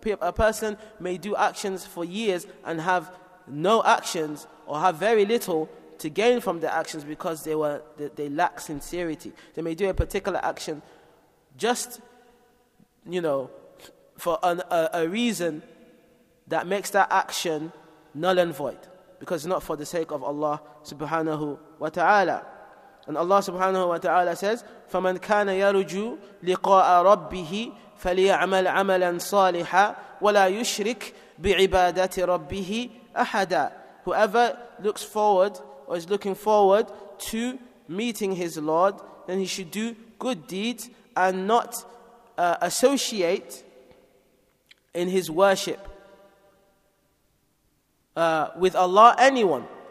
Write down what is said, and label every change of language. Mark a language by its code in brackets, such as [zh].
[en] A person may do actions for years and have no actions, or have very little to gain from the actions, because they lack sincerity. They may do a particular action just, you know, for a reason that makes that action null and void, because it's not for the sake of Allah subhanahu wa ta'ala. And Allah subhanahu wa ta'ala says, [ar] فَمَنْ كَانَ يَرُجُّ لِقَاءَ رَبِّهِ فَلِيَعْمَلْ عَمَلًا صَالِحًا وَلَا يُشْرِكْ بِعِبَادَةِ رَبِّهِ أَحَدًا. [en] Whoever looks forward, or is looking forward to meeting his Lord, then he should do good deeds and not associate in his worship with Allah anyone.